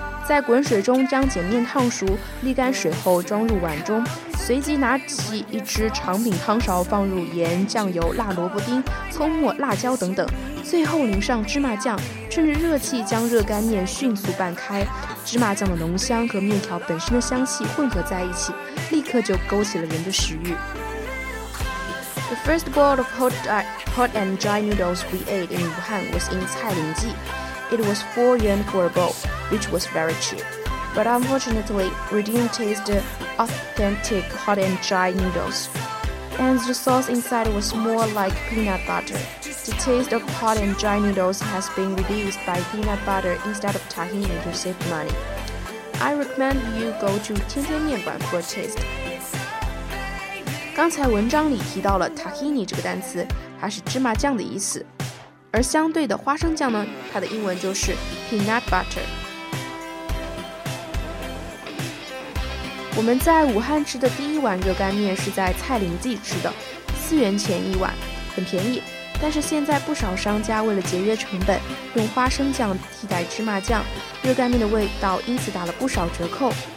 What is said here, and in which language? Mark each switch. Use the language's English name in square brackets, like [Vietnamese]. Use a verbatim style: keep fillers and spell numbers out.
[Chinese] 在滚水中将碱面烫熟，沥干水后装入碗中，随即拿起一只长柄汤勺放入盐、酱油、辣萝卜丁、葱末、辣椒等等，最后淋上芝麻酱，趁着热气将热干面迅速拌开，芝麻酱的浓香和面条本身的香气混合在一起，立刻就勾起了人的食欲。 [English] The first bowl of hot, dry, hot and dry noodles we ate in Wuhan was in Cailingji. It was four yuan for a bowl, which was very cheap. But unfortunately, we didn't taste the authentic hot and dry noodles. And the sauce inside was more like peanut butter. The taste of hot and dry noodles has been reduced by peanut butter instead of tahini to save money. I recommend you go to 天天面馆 for a taste. [Chinese] 刚才文章里提到了 tahini 这个单词，它是芝麻酱的意思，而相对的花生酱呢，它的英文就是 peanut butter。我们在武汉吃的第一碗热干面是在蔡林记吃的，四元钱一碗，很便宜，但是现在不少商家为了节约成本，用花生酱替代芝麻酱，热干面的味道因此打了不少折扣。